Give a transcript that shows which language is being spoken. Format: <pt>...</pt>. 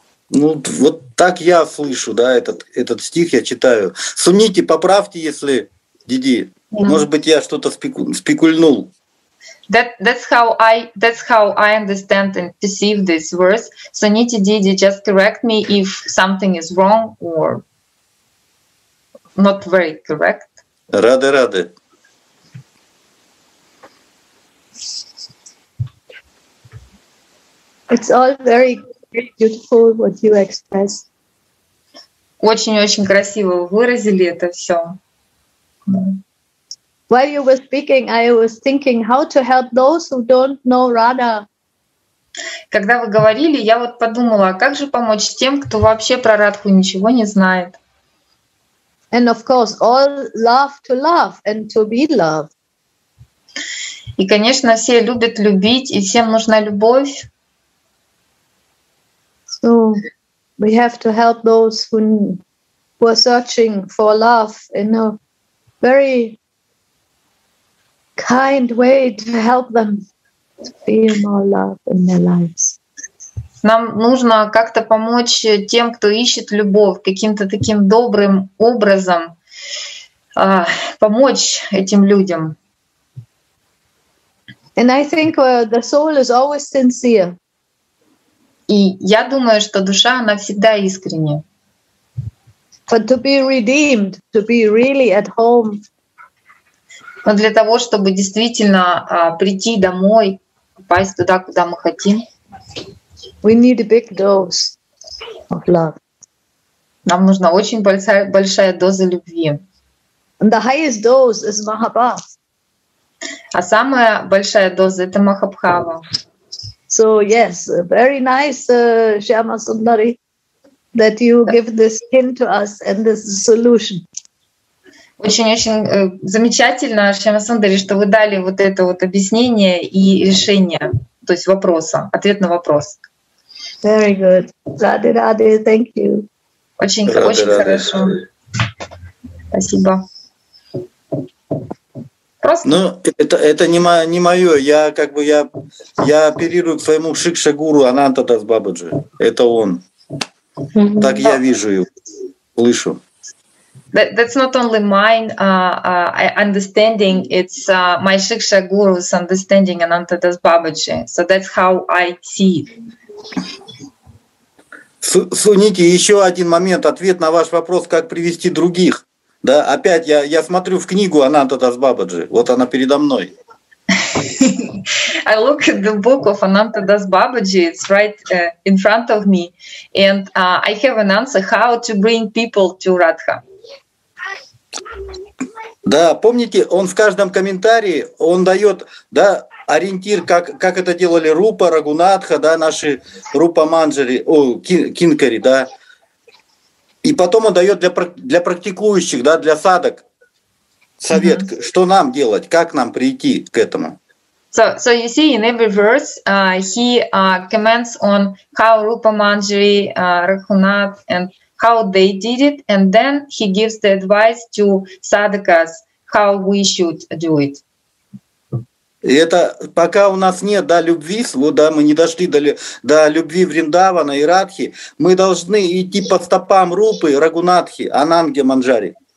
<ru>Ну, вот так я слышу, да, этот стих я читаю. Суните, поправьте, если, Диди, может быть, я что-то спекульнул.</ru> <en>That's how I understand and perceive this verse. So Niti Didi, just correct me if something is wrong or not very correct.</en> <ru>Рады-рады.</ru> <en>It's all very, very beautiful what you expressed.</en> <ru>Очень-очень красиво выразили это все.</ru> <en>While you were speaking, I was thinking how to help those who don't know Radha.</en> <ru>Когда вы говорили, я вот подумала, как же помочь тем, кто вообще про Радху ничего не знает.</ru> <en>And of course, all love to love and to be loved.</en> <ru>И, конечно, все любят любить, и всем нужна любовь.</ru> <en>So we have to help those who are searching for love in a very kind way to help them to feel more love in their lives.</en> <ru>нам нужно как-то помочь тем, кто ищет любовь, каким-то таким добрым образом помочь этим людям.</ru> <en>And I think the soul is always sincere.</en> <ru>И я думаю, что душа, она всегда искренняя.</ru> <en>But to be redeemed, to be really at home.</en> <ru>Но для того, чтобы действительно прийти домой, попасть туда, куда мы хотим,</ru> <en>we need a big dose of love.</en> <ru>Нам нужна очень большая доза любви.</ru> <en>And the highest dose is Mahabha.</en> <ru>А самая большая доза — это Махабхава.</ru> <en>So yes, very nice, Shyama Sundari, that you give this hint to us and this solution.</en> <ru>Очень-очень замечательно, Шьяма Сундари, что вы дали вот это вот объяснение и решение, то есть вопроса, ответ на вопрос.</ru> <en>Very good. Rade, rade, thank you.</en> <ru>Очень, rade, очень rade, хорошо. Спасибо. Просто? Ну, это не, не мое. Я как бы я оперирую к своему шикша-гуру Ананта Дас Бабаджи. Это он. Так я вижу его, слышу.</ru> <en>That's not only mine understanding, it's my Shiksha Guru's understanding Ananta Das Babaji. So that's how I see it.</en> <ru>Суните, еще один момент, ответ на ваш вопрос, как привести других. Да, опять я смотрю в книгу Ананта Дас Бабаджи. Вот она передо мной.</ru> <en>I look at the book of Ananta Das Babaji. It's right in front of me. And I have an answer how to bring people to Radha.</en> <ru>Да, помните, он в каждом комментарии, он дает, да, ориентир, как это делали Рупа, Рагунатха, да, наши Рупа-манджари, кинкари, да. И потом он дает для практикующих, да, для садок совет, что нам делать, как нам прийти к этому.</ru> <en>So you see, in every verse, he comments on how Rupa-manjari, Raghunath, and how they did it, and then he gives the advice to sadhakas how we should do it.</en> <ru>И это пока у нас нет, да, любви, вот, да, мы не дошли до любви Вриндавана и Радхи, мы должны идти по стопам Рупы, Рагунатхи, Ананге Манджари.</ru>